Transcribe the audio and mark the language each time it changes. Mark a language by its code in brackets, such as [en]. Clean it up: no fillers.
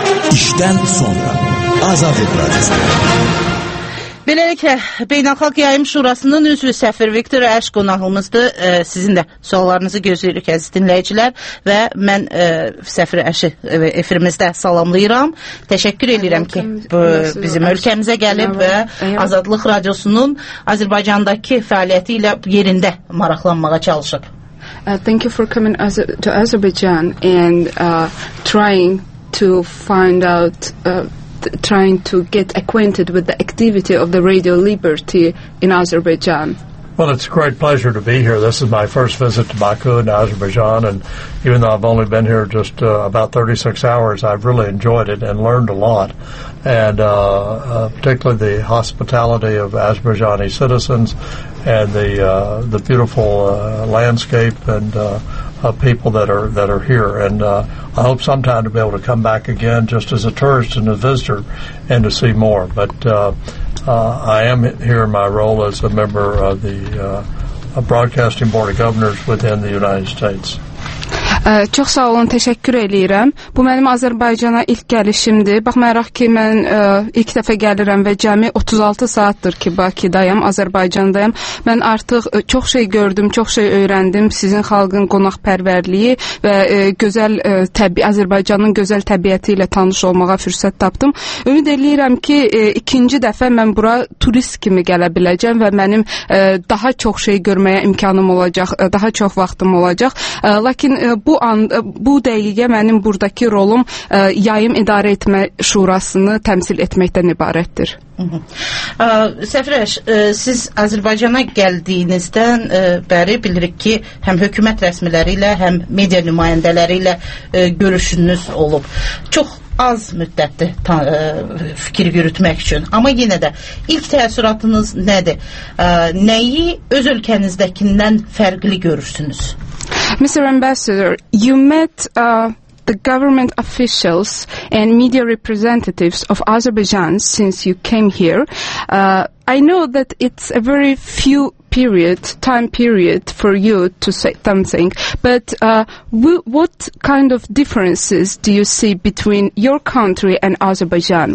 [az] İşten sonra Azadlık Radyosu. Beləliklə, Beynəlxalq Yayım Şurasının üzvü səfir Viktor Əşq qonağımızdır. Sizin də suallarınızı gözləyirik, əziz dinləyicilər. Və mən səfir Əşi efirimizdə salamlayıram. Təşəkkür edirəm ki, bu bizim ölkəmizə gəlib və Azadlıq Radiosunun Azərbaycandakı fəaliyyəti ilə yerində maraqlanmağa çalışıb. [en] Thank you for coming to Azerbaijan and trying to find out... trying to get acquainted with the activity of the Radio Liberty in Azerbaijan. Well, it's a great pleasure to be here. This is my first visit to Baku in Azerbaijan, and even though I've only been here just about 36 hours, I've really enjoyed it and learned a lot, and particularly the hospitality of Azerbaijani citizens and the beautiful landscape and people that are here, and I hope sometime to be able to come back again just as a tourist and a visitor and to see more. But I am here in my role as a member of the Broadcasting Board of Governors within the United States. [az] Çox sağ olun, təşəkkür edirəm. Bu mənim Azərbaycana ilk gəlişimdir. Baxmayaraq ki, mən ilk dəfə gəlirəm və cəmi 36 saatdır ki, Bakıdayam, Azərbaycandayam. Mən artıq çox şey gördüm, çox şey öyrəndim. Sizin xalqın qonaqpərvərliyi və gözəl Azərbaycanın gözəl təbiəti ilə tanış olmağa fürsət tapdım. Ümid edirəm ki, ikinci dəfə mən bura turist kimi gələ biləcəm və mənim daha çox şey görməyə imkanım olacaq, daha çox vaxtım olacaq. Lakin bu an, bu dəqiqə mənim buradakı rolum yayım idarə etmə şurasını təmsil etməkdən ibarətdir. Səfirəş, siz Azərbaycana gəldiyinizdən bəri bilirik ki, həm hökumət rəsmiləri ilə, həm media nümayəndələri ilə görüşünüz olub. Çox az müddətdir fikir yürütmək üçün. Amma yenə də ilk təəssüratınız nədir? Nəyi öz ölkənizdəkindən fərqli görürsünüz? [en] Mr. Ambassador, you met the government officials and media representatives of Azerbaijan since you came here. I know that it's a very few time period for you to say something, but what kind of differences do you see between your country and Azerbaijan?